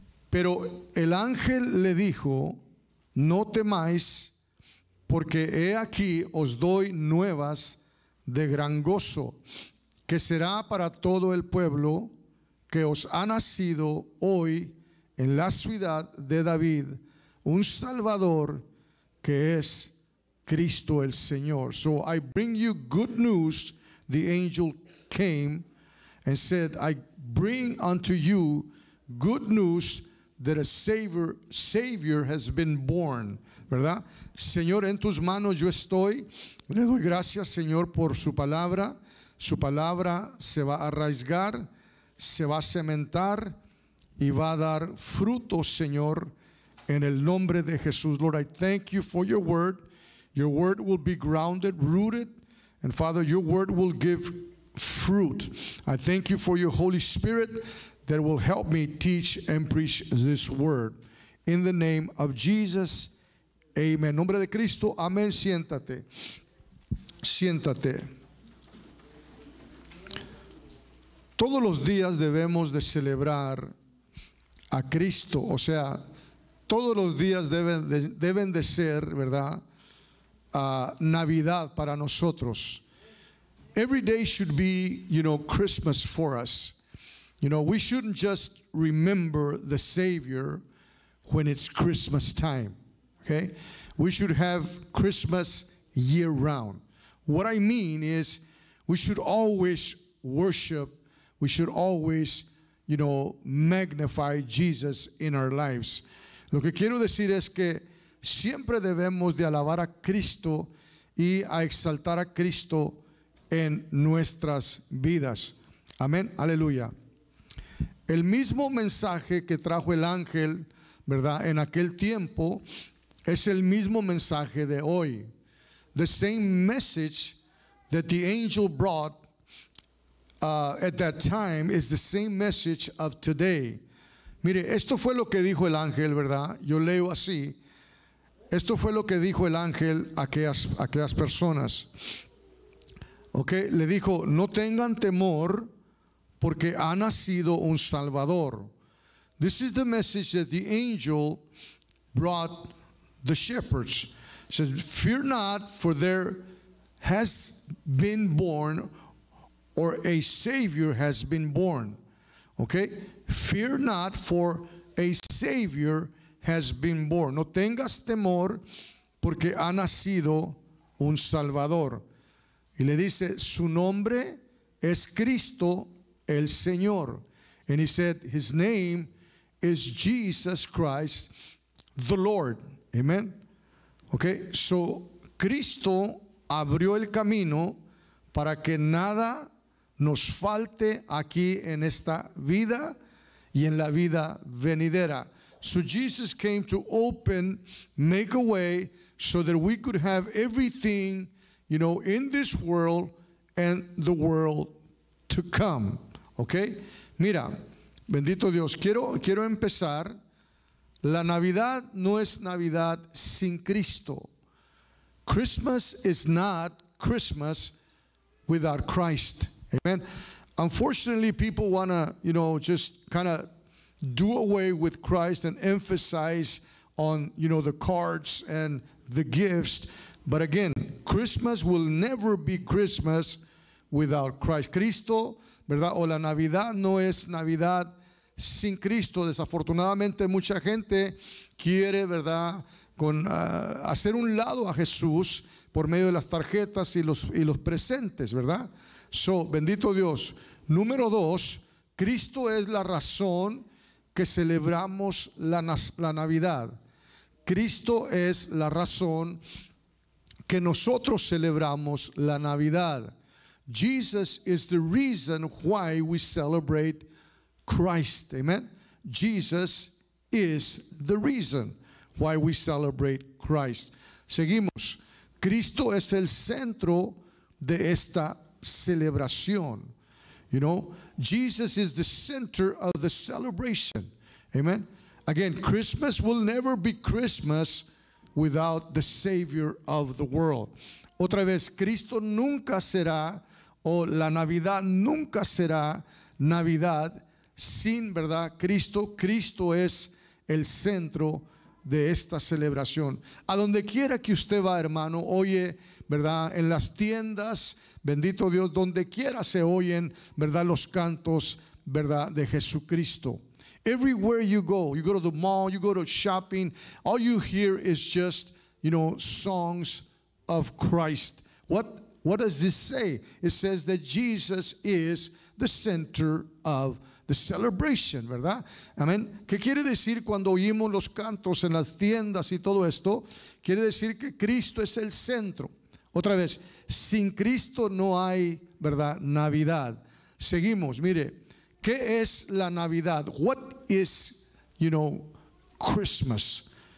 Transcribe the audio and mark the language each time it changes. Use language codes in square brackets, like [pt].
[es] Pero el ángel le dijo: no temáis, porque he aquí os doy nuevas de gran gozo, que será para todo el pueblo, que os ha nacido hoy en la ciudad de David un Salvador, que es Cristo el Señor. [en] So I bring you good news. The angel came and said, I bring unto you good news that a Savior has been born. [es] ¿Verdad? Señor, en tus manos yo estoy. Le doy gracias, Señor, por su palabra. Su palabra se va a arraigar, se va a cementar y va a dar fruto, Señor, en el nombre de Jesús. [en] Lord, I thank you for your word. Your word will be grounded, rooted. And Father, your word will give fruit. I thank you for your Holy Spirit that will help me teach and preach this word. In the name of Jesus, amen. [es] Nombre de Cristo, amén. Siéntate. Siéntate. Todos los días debemos de celebrar a Cristo. O sea, todos los días deben de ser, ¿verdad?, Navidad para nosotros. [en] Every day should be, you know, Christmas for us. You know, we shouldn't just remember the Savior when it's Christmas time, okay? We should have Christmas year round. What I mean is we should always worship, we should always, you know, magnify Jesus in our lives. [es] Lo que quiero decir es que siempre debemos de alabar a Cristo y a exaltar a Cristo en nuestras vidas. Amén, aleluya. El mismo mensaje que trajo el ángel, ¿verdad?, en aquel tiempo, es el mismo mensaje de hoy. The same message that the angel brought at that time is the same message of today. Mire, esto fue lo que dijo el ángel, ¿verdad? Yo leo así. Esto fue lo que dijo el ángel a aquellas personas. Okay, le dijo: no tengan temor, porque ha nacido un Salvador. [en] This is the message that the angel brought the shepherds. It says, fear not, for there has been born, or a Savior has been born. Okay, fear not, for a Savior has been born. [es] No tengas temor, porque ha nacido un Salvador. Y le dice: su nombre es Cristo el Señor. [en] And he said, his name is Jesus Christ the Lord. Amen. [es] Okay, so Cristo abrió el camino para que nada nos falte aquí en esta vida y en la vida venidera. [en] So Jesus came to open, make a way, so that we could have everything, you know, in this world and the world to come. Okay? [es] Mira, bendito Dios, quiero empezar La Navidad no es Navidad sin Cristo. [en] Christmas is not Christmas without Christ. Amen. Unfortunately, people want to, you know, just kind of do away with Christ and emphasize on, you know, the cards and the gifts. But again, Christmas will never be Christmas without Christ. [es] Cristo, ¿verdad? O la Navidad no es Navidad sin Cristo. Desafortunadamente, mucha gente quiere, ¿verdad?, con hacer un lado a Jesús por medio de las tarjetas y los presentes, ¿verdad? So, bendito Dios. Número dos, Cristo es la razón que celebramos la Navidad. Cristo es la razón que nosotros celebramos la Navidad. [en] Jesus is the reason why we celebrate Christ. Amen. Jesus is the reason why we celebrate Christ. [es] Seguimos. Cristo es el centro de esta celebración. [en] You know, Jesus is the center of the celebration. Amen. Again, Christmas will never be Christmas without the Savior of the world. [es] Otra vez, Cristo nunca será, o la Navidad nunca será Navidad sin, ¿verdad?, Cristo. Cristo es el centro de esta celebración. A donde quiera que usted va, hermano, oye, ¿verdad?, en las tiendas, bendito Dios, donde quiera se oyen, ¿verdad?, los cantos, ¿verdad?, de Jesucristo. [en] Everywhere you go to the mall, you go to shopping, all you hear is just, you know, songs of Christ. What does this say? It says that Jesus is the center of the celebration, [es] ¿verdad? [en] Amen. [es] ¿Qué quiere decir cuando oímos los cantos en las tiendas y todo esto? Quiere decir que Cristo es el centro. Otra vez, sin Cristo no hay, ¿verdad?, Navidad. Seguimos, mire. ¿Qué es la Navidad? [en] What is, you know, Christmas?